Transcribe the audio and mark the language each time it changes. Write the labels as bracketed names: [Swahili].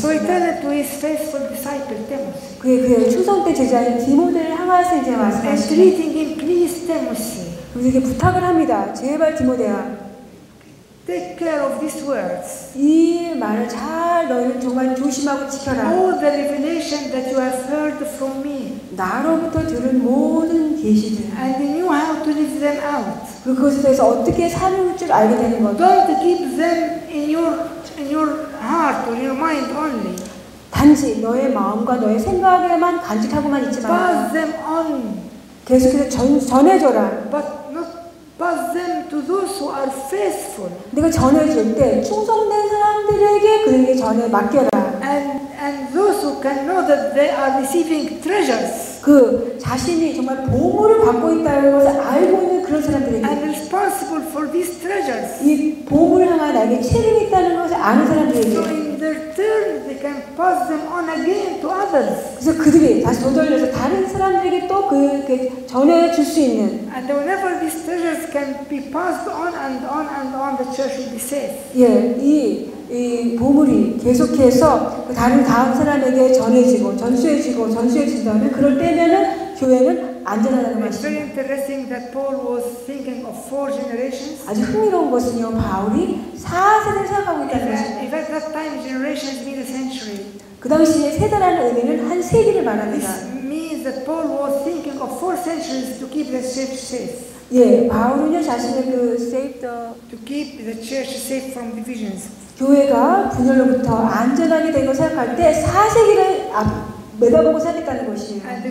[English] So he turned to his faithful disciple Timothy. [Korean] 그의 그 충성된 제자인 디모데를 향하여서 이제 말씀하십니다. [English] Entreating him, please, Timothy. [Korean] 우리에게 부탁을 합니다. 제발 디모데야. [English] Take care of these words. [Korean] 이 말을 잘 너희는 정말 조심하고 지켜라. [English] All the revelation that you have heard from me. [Korean] 나로부터 들은 모든 계시들. [English] And you knew how to live them out. [Korean] 그것에 대해서 어떻게 살을 줄 알게 되는 거죠. [English] Don't keep them in your heart or your mind only. [Korean] 단지 너의 마음과 너의 생각에만 간직하고만 있지 마라. [English] Pass them on. [Korean] 계속해서 전해줘라. [English] But not pass them to those who are faithful. [Korean] 네가 전해줄 때 충성된 사람들에게 그에게 전해 맡겨라. [English] And those who can know that they are receiving treasures. [Korean] 그 자신이 정말 보물을 받고 있다는 것을 알고 있는 그런 사람들에게. [English] And responsible for these treasures. [Korean] 이 보물을 향한 나에게 책임이 있다는 것을 아는 사람들에게. [English] So in their turn, they can pass them on again to others. [Korean] 그래서 그들이 다시 돌려서 다른 사람들에게 또 그 전해줄 수 있는. [English] And whenever these treasures can be passed on and on and on, the church will be safe. [Korean] 예, 이 보물이 계속해서 다른 사람에게 전해지고 전수해진다면 그럴 때면은 교회는 안전하다는 말씀. [English] Very interesting that Paul was thinking of four generations. [Korean] 아주 흥미로운 것은요, 바울이 4세대 생각하고 있다는 것입니다. [English] At that time, generations mean a century. [Korean] 그 당시에 세대라는 의미는 한 세기를 말합니다. [English] Means that Paul was thinking of four centuries to keep the ship safe. [Korean] 예, 바울은요 자신의 그 [English] save the to keep the church safe from divisions. [Korean] 교회가 분열로부터 안전하게 된 것을 생각할 때 4세기를 내다보고 살겠다는 것이에요.